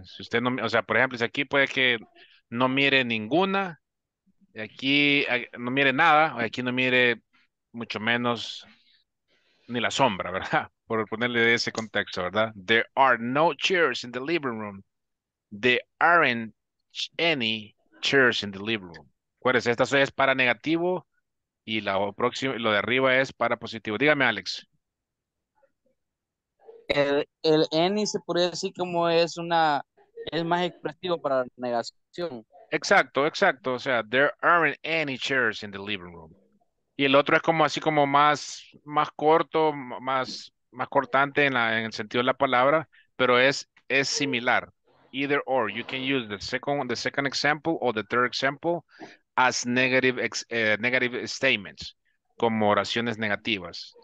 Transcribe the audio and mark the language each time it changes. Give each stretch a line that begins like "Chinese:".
Spanish: Si usted no, o sea, por ejemplo, si aquí puede que no mire ninguna, aquí no mire nada, aquí no mire mucho menos ni la sombra, ¿verdad? Por ponerle ese contexto, ¿verdad?
English: There are no chairs in the living room. There aren't any chairs in the living room.
Spanish: Acuérdense, esta es para negativo y la próxima, lo de arriba es para positivo. Dígame, Alex. El any se podría decir como es más expresivo para negación. Exacto. O sea,
English: there aren't any chairs in the living room.
Spanish: Y el otro es como así como más corto, más cortante en el sentido de la palabra, pero es similar.
English: Either or, you can use the second example or the third example as negative statements,
Spanish: como oraciones negativas.